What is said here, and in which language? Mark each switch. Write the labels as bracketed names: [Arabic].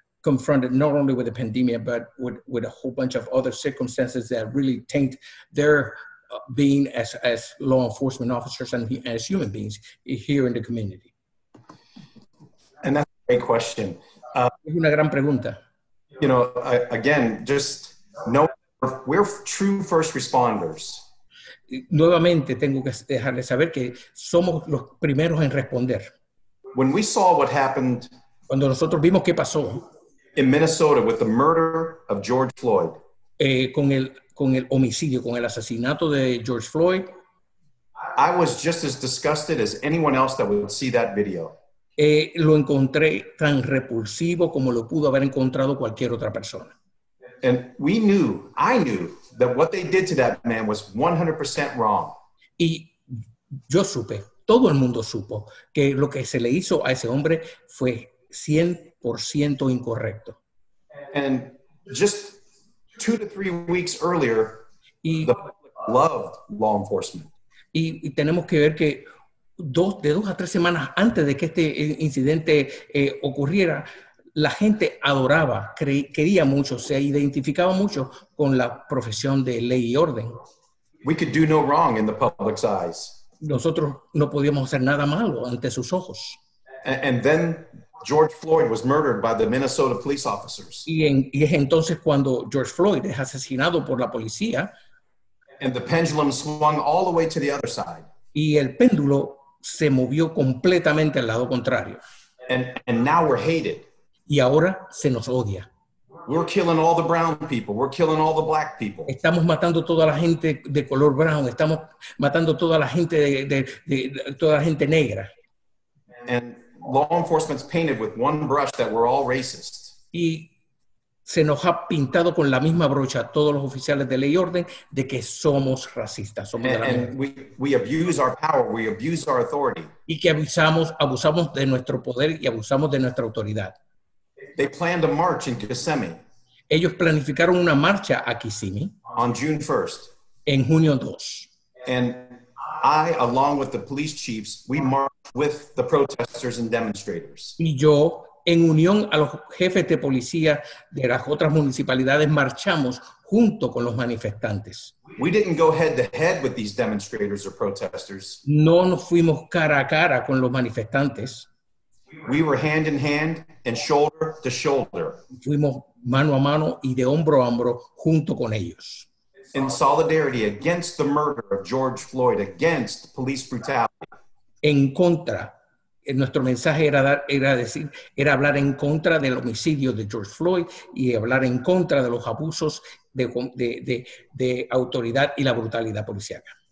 [English] confronted not only with the pandemic but with a whole bunch of other circumstances that really taint their being as law enforcement officers and as human beings here in the community? And that's a great question. [Spanish] Es una gran pregunta. [English] You know, again, just know we're true first responders. [Spanish] Nuevamente tengo que dejarles saber que somos los primeros en responder. [English] When we saw what happened, [Spanish] cuando nosotros vimos qué pasó [English] in Minnesota with the murder of George Floyd, [Spanish] con el homicidio, con el asesinato de George Floyd, [English] I was just as disgusted as anyone else that would see that video. [Spanish] Lo encontré tan repulsivo como lo pudo haber encontrado cualquier otra persona. [English] And we knew, I knew, that what they did to that man was 100% wrong. [Spanish] Y yo supe, todo el mundo supo, que lo que se le hizo a ese hombre fue 100% incorrecto. [English] And just 2 to 3 weeks earlier, the public loved law enforcement. [Spanish] Y tenemos que ver que de dos a tres semanas antes de que este incidente ocurriera, la gente adoraba, quería mucho, se identificaba mucho con la profesión de ley y orden. [English] We could do no wrong in the public's eyes. [Spanish] Nosotros no podíamos hacer nada malo ante sus ojos. [English] And then George Floyd was murdered by the Minnesota police officers. [Spanish] Y es entonces cuando George Floyd es asesinado por la policía. [English] And the pendulum swung all the way to the other side. [Spanish] Y el péndulo se movió completamente al lado contrario. [English] And now we're hated. [Spanish] Y ahora se nos odia. [English] We're killing all the brown people. We're killing all the black people. [Spanish] Estamos matando toda la gente de color brown. Estamos matando toda la gente toda la gente negra. [English] And law enforcement's painted with one brush that we're all racist. [Spanish] Y se nos ha pintado con la misma brocha a todos los oficiales de ley y orden de que somos racistas. [English] And we abuse our power. We abuse our authority. [Spanish] Y que abusamos de nuestro poder y abusamos de nuestra autoridad. [English] They planned a march in Kissimmee. [Spanish] Ellos planificaron una marcha a Kissimmee. [English] On June 1st. [Spanish] En junio 2. [English] And I, along with the police chiefs, we marched with the protesters and demonstrators. [Spanish] Y yo, en unión a los jefes de policía de las otras municipalidades, marchamos junto con los manifestantes. [English] We didn't go head to head with these demonstrators or protesters. [Spanish] No nos fuimos cara a cara con los manifestantes. [English] We were hand in hand and shoulder to shoulder. [Spanish] Fuimos mano a mano y de hombro a hombro junto con ellos. [English] In solidarity against the murder of George Floyd, against police brutality. [Spanish] En contra. Nuestro mensaje era hablar en contra del homicidio de George Floyd y hablar en contra de los abusos de autoridad y la brutalidad policial.